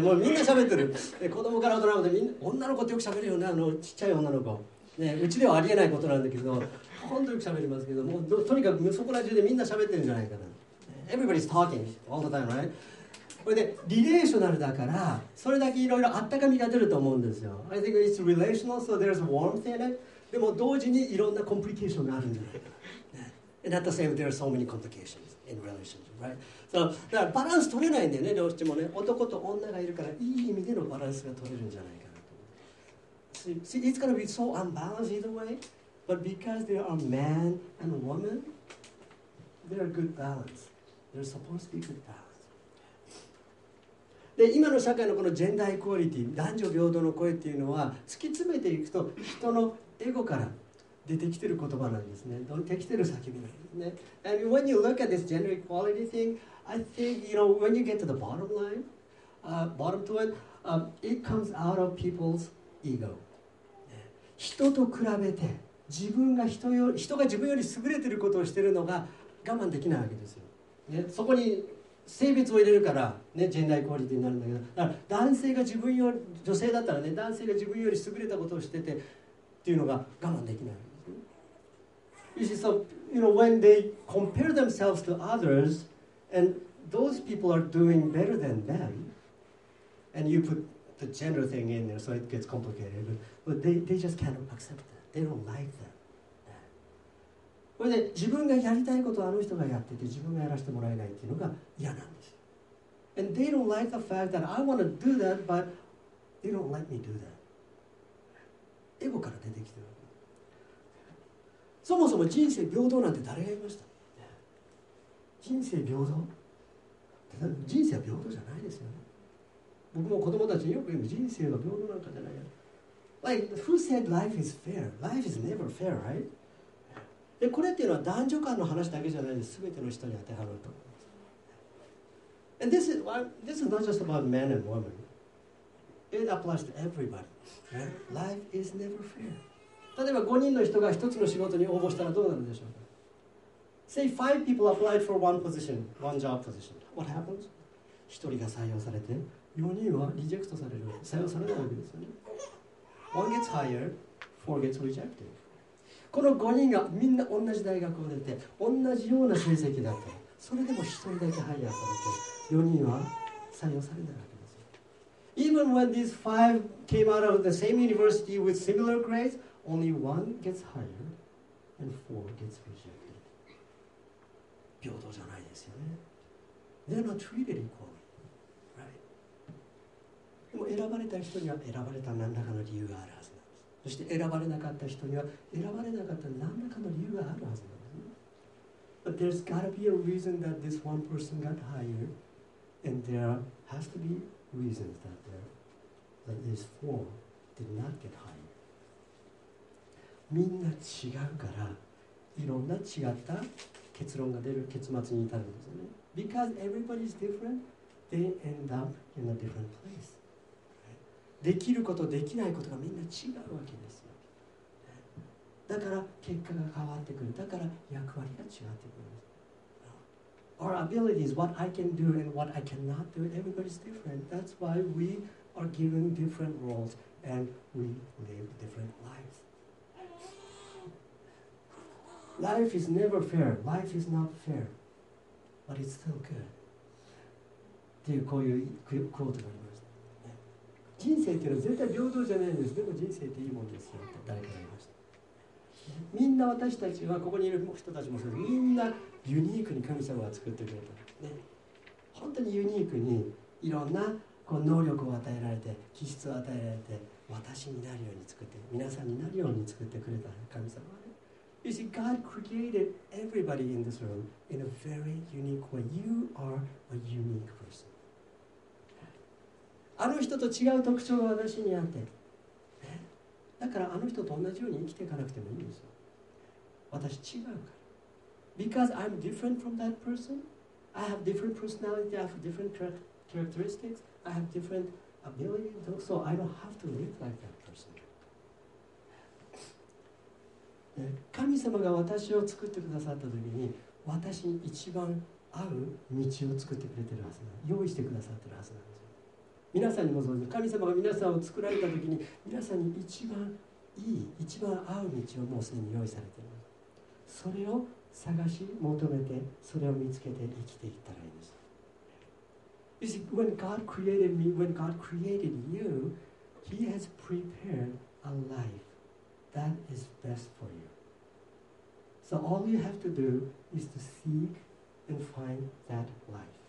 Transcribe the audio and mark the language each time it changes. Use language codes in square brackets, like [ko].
[ja] もうみんな喋ってる。子供から大人まで、女の子ってよく喋るよね、あのちっちゃい女の子。ね、うちではありえないことなんだけど、本当によく喋りますけど、もうとにかくそこら中でみんな喋ってるんじゃないかな。 [en] Everybody's talking all the time, right? [ja] これでリレーショナルだから、それだけいろいろあったかみが出ると思うんですよ。 [en] I think it's relational, so there's warmth in it. [ja] でも同時にいろんなコンプリケーションがあるんじゃないかな。 [en] And at the same time, there are so many complications in relationships, right? So, [ja] だからバランス取れないんだよね、どうしてもね。男と女がいるから、いい意味でのバランスが取れるんじゃないかな。 [en] See, it's going to be so unbalanced either way, but because there are man and woman, there are good balance. There's supposed to be good balance. [ja] で、今の社会のこのジェンダーイクオリティ、男女平等の声っていうのは、突き詰めていくと人のエゴから出てきてる言葉なんですね。出てきてる叫びなんですね。 [en] And when you look at this gender equality thing, I think, you know, when you get to the bottom line, bottom to it, it comes out of people's ego. [ja] 人と比べて自分が 人が自分より優れてることをしているのが我慢できないわけですよ、ね、そこに性別を入れるから、ね、ジェンダーイクオリティになるんだけど、だから男性が自分より女性だったらね、男性が自分より優れたことをしててっていうのが我慢できないわけですよ。 [en] You see, so, you know, when they compare themselves to others and those people are doing better than them, and you put the gender thing in there, so it gets complicated. But they just cannot accept that. They don't like that. [ja] それで自分がやりたいことをあの人がやってて自分がやらせてもらえないっていうのが嫌なんです。 [en] And they don't like the fact that I want to do that, but they don't let me do that. [ja] エゴから出てきてる。そもそも人生平等なんて誰が言いました？人生平等？人生は平等じゃないですよね。僕も子供たちによく言う人生は平等なんかじゃないよ。 [en] Like, who said life is fair? Life is never fair, right? [ja] でこれっていうのは男女間の話だけじゃないです。全ての人に当てはまると思います。 [en] And this is not just about men and women. It applies to everybody. Life is never fair. [ja] 例えば5人の人が1つの仕事に応募したらどうなるでしょうか。 [en] Say 5 people applied for one position, one job position. What happens? [ja] 1人が採用されて、4人はリジェクトされる、採用されないわけですよね。 [en] One gets hired, four gets rejected. [ja] この5人がみんな同じ大学を出て同じような成績だったそれでも1人だけハイヤーされて4人は採用されないわけですよ [en] Even when these 5 came out of the same university with similar grades only one gets hired and four gets rejected [ja] 平等じゃないですよね [en] They're not treated equally、right? [ja] でも選ばれた人には選ばれた何らかの理由があるはずそして選ばれなかった人には選ばれなかった何らかの理由があるはずなんですね。 [en] But there's gotta be a reason that this one person got hired, and there has to be reasons that there, that these four did not get hired. [ja] みんな違うから、いろんな違った結論が出る結末に至るんですね。 [en] Because everybody's different, they end up in a different place. [ja] できることできないことがみんな違うわけですよ。だから結果が変わってくる。だから役割が違ってくる。 [en] Our abilities, what I can do and what I cannot do, everybody's different. That's why we are given different roles and we live different lives. Life is never fair. Life is not fair. But it's still good. [ja] っていうこういうクォートがあります。人生っていうのは絶対平等じゃないんです。でも人生っていいもんですよって誰かが言いました。みんな私たちは、ここにいる人たちもそうです。みんなユニークに神様が作ってくれた。ね、本当にユニークにいろんなこう能力を与えられて、気質を与えられて、私になるように作って、皆さんになるように作ってくれた神様はね。 [en] You see, God created everybody in this room in a very unique way. You are a unique person. [ja] あの人と違う特徴が私にあって、ね、だからあの人と同じように生きていかなくてもいいんですよ私違うから [en] Because I'm different from that person I have different personality I have different characteristics I have different ability So I don't have to live like that person、 [ja] ね、神様が私を作ってくださった時に私に一番合う道を作ってくれてるはずな用意してくださってるはずなんです皆さんにもそうです。神様が皆さんを作られたときに、皆さんに一番いい、一番合う道をもうすでに用意されています。それを探し、求めて、それを見つけて生きていったらいいんです。 [en] You see, when God created me, when God created you, He has prepared a life that is best for you. So all you have to do is to seek and find that life.